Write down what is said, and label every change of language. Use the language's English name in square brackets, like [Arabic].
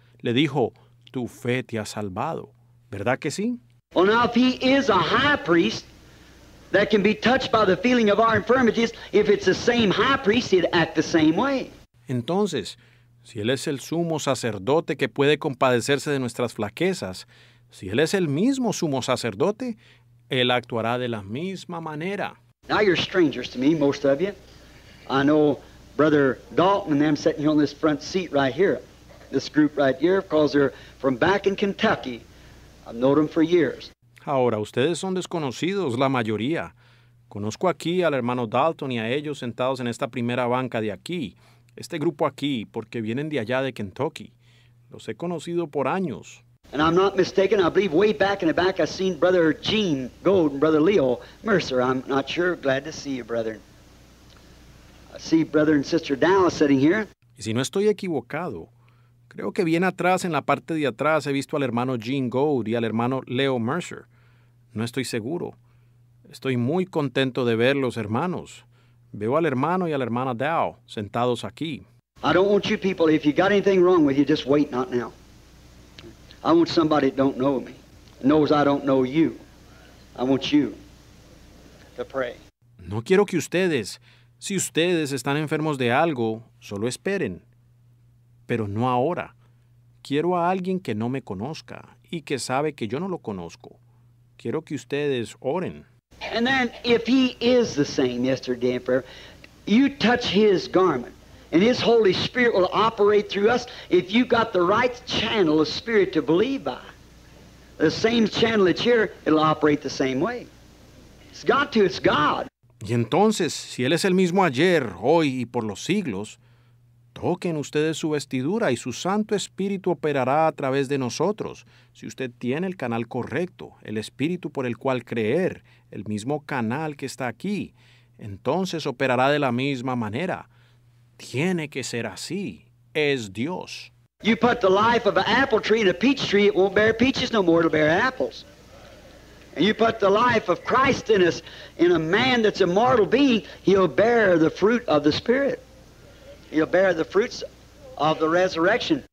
[Spanish] Le dijo, tu fe te ha salvado. ¿Verdad que sí? [English] Well, now, if he is a high priest that can be touched by the feeling of our infirmities, if it's the same high priest, he'd act the same way. [Spanish] Entonces, si él es el sumo sacerdote que puede compadecerse de nuestras flaquezas, si él es el mismo sumo sacerdote, él actuará de la misma manera. [English] Now you're strangers to me, most of you. I know Brother Dalton and them sitting here on this front seat right here, this group right here, because they're from back in Kentucky. I've known them for years. [Spanish] Ahora, ustedes son desconocidos, la mayoría. Conozco aquí al hermano Dalton y a ellos sentados en esta primera banca de aquí, este grupo aquí, porque vienen de allá de Kentucky. Los he conocido por años. [English] And I'm not mistaken, I believe way back in the back I seen Brother Gene Gold and Brother Leo Mercer. I'm not sure. Glad to see you, brethren. I see Brother and Sister Dallas sitting here. [Spanish] Y si no estoy equivocado, creo que bien atrás, en la parte de atrás, he visto al hermano Gene Gold y al hermano Leo Mercer. No estoy seguro. Estoy muy contento de verlos, hermanos. Veo al hermano y a la hermana Dow sentados aquí. [English] I don't want you people, if you got anything wrong with you, just wait, not now. I want somebody that don't know me, knows I don't know you. I want you to pray. [Spanish] No quiero que ustedes, si ustedes están enfermos de algo, solo esperen. Pero no ahora. Quiero a alguien que no me conozca y que sabe que yo no lo conozco. Quiero que ustedes oren. [English] And then, if he is the same yesterday and forever, you touch his garment. And his Holy Spirit will operate through us if you've got the right channel of spirit to believe by. The same channel that's here, it'll operate the same way. It's got to, it's God. [Spanish] Y entonces, si él es el mismo ayer, hoy y por los siglos, toquen ustedes su vestidura y su Santo Espíritu operará a través de nosotros. Si usted tiene el canal correcto, el Espíritu por el cual creer, el mismo canal que está aquí, entonces operará de la misma manera. Tiene que ser así. Es Dios. [English] You put the life of an apple tree in a peach tree, it won't bear peaches no more, it'll bear apples. And you put the life of Christ in us, in a man that's a mortal being, he'll bear the fruit of the Spirit. He'll bear the fruits of the resurrection.